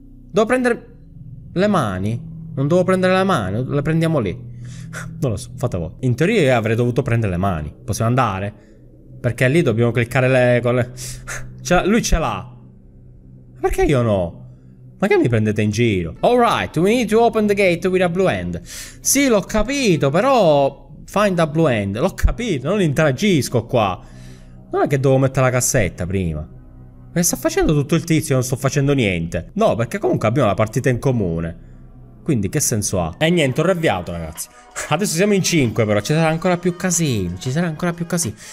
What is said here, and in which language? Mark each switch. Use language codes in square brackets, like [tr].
[it] Devo prendere le mani? Non devo prendere le mani, le prendiamo lì. Non lo so, fate voi. In teoria io avrei dovuto prendere le mani. Possiamo andare? Perché lì dobbiamo cliccare le. Lui ce l'ha. Perché io no? Ma che mi prendete in giro? [en] Alright, we need to open the gate with a blue hand. [it] Sì, l'ho capito, però... [en] Find a blue hand. [it] L'ho capito, non interagisco qua. Non è che devo mettere la cassetta prima. Ma sta facendo tutto il tizio, non sto facendo niente. No, perché comunque abbiamo la partita in comune. Quindi che senso ha? E niente, ho riavviato, ragazzi. Adesso siamo in 5, però. Ci sarà ancora più casino. Ci sarà ancora più casino.